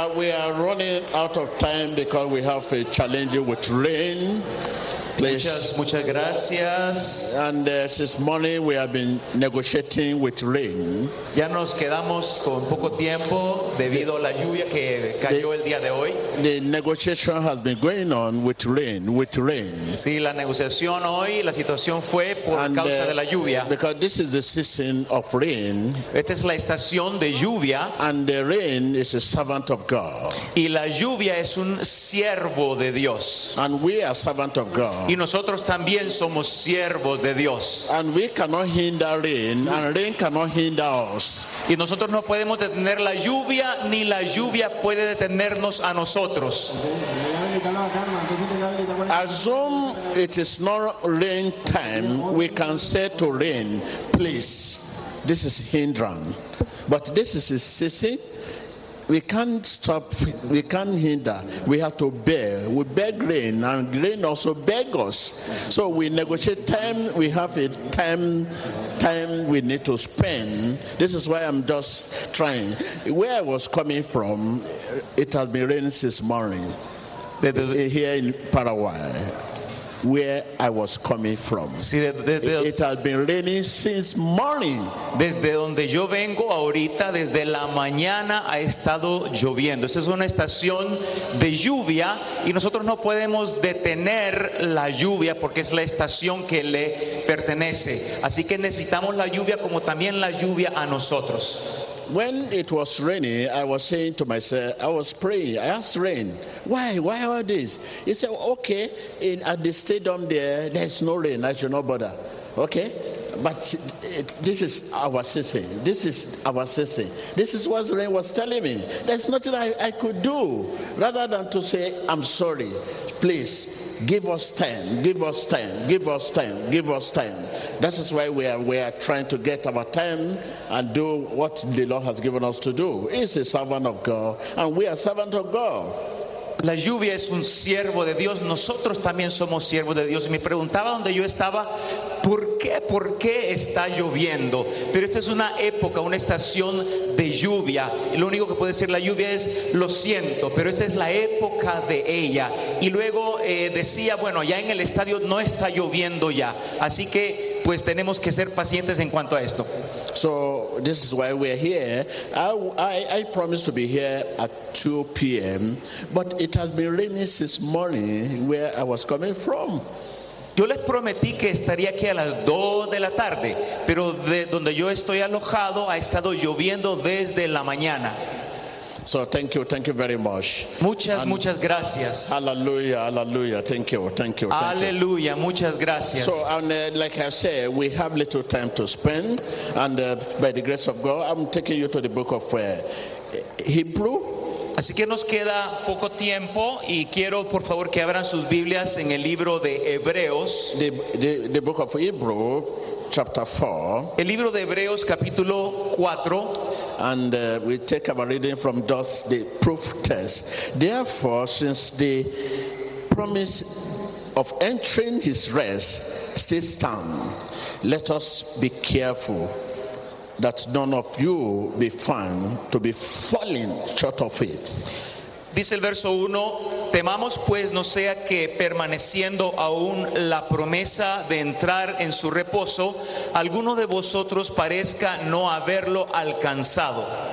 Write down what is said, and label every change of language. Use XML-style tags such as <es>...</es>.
<en>We are running out of time because we have a challenge with rain. Please.</en> <es>Muchas gracias.</es> <en>And this morning we have been negotiating with rain.</en> <es>Ya nos quedamos con poco tiempo debido a la lluvia que cayó el día de hoy.</es> <en>The negotiation has been going on with rain,</en> <es>Sí, la negociación hoy, la situación fue por causa de la lluvia.</es> <en>Because this is the season of rain.</en> <es>Esta es la estación de lluvia.</es> <en>And the rain is a servant of God.</en> <es>Y la lluvia es un siervo de Dios.</es> <en>And we are servant of God.</en> <es>Y nosotros también somos siervos de Dios.</es> <en>And we cannot hinder rain, and rain cannot hinder us.</en> <es>Y nosotros no podemos detener la lluvia, ni la lluvia puede detenernos a nosotros. Assume it is not rain time, we can say to rain, please, this is hindrance. But this is a season. We can't stop, we can't hinder. We have to bear. We beg rain, and rain also beg us. So we negotiate time, we have a time we need to spend. This is why I'm just trying. Where I was coming from, it has been raining since morning. Here in Paraguay. Where I was coming from. It has been raining since morning. Desde donde yo vengo ahorita, desde la mañana ha estado lloviendo. Esa es una estación de lluvia y nosotros no podemos detener la lluvia porque es la estación que le pertenece. Así que necesitamos la lluvia como también la lluvia a nosotros.</es> <en>When it was raining, I was saying to myself, I was praying, I asked rain, why all this? He said, okay, at the stadium there's no rain, I should not bother. Okay, but this is our season, This is what rain was telling me. There's nothing I could do, rather than to say, I'm sorry, please, give us time. That is why we are trying to get our time and do what the Lord has given us to do. He's a servant of God, and we are servant of God.</en> <es>La lluvia es un siervo de Dios. Nosotros también somos siervos de Dios. Y me preguntaba donde yo estaba, ¿por qué está lloviendo? Pero esta es una época, una estación de lluvia. Y lo único que puede ser la lluvia es, lo siento, pero esta es la época de ella. Y luego decía, bueno, ya en el estadio no está lloviendo ya. Así que, pues tenemos que ser pacientes en cuanto a esto.</es> <en>So, this is why we're here. I promised to be here at 2 p.m., but it has been raining since morning where I was coming from.</en> <es>Yo les prometí que estaría aquí a las 2 de la tarde, pero de donde yo estoy alojado ha estado lloviendo desde la mañana.</es> <en>So thank you very much.</en> <es>Muchas gracias.</es> <en>Hallelujah. Thank you.</en> <es>Hallelujah. Muchas gracias.</es> <en>So like I said, we have little time to spend, and by the grace of God, I'm taking you to the book of Hebrew.</en> <es>Así que nos queda poco tiempo y quiero por favor que abran sus Biblias en el libro de Hebreos.</es> <en>The book of Hebrew. Chapter 4.</en> <es>El libro de Hebreos capítulo 4.</es> <en>And we take our reading from thus the proof text. Therefore, since the promise of entering his rest still stands, let us be careful that none of you be found to be falling short of it.</en> <es>Dice el verso 1, temamos pues no sea que permaneciendo aún la promesa de entrar en su reposo, alguno de vosotros parezca no haberlo alcanzado.</es>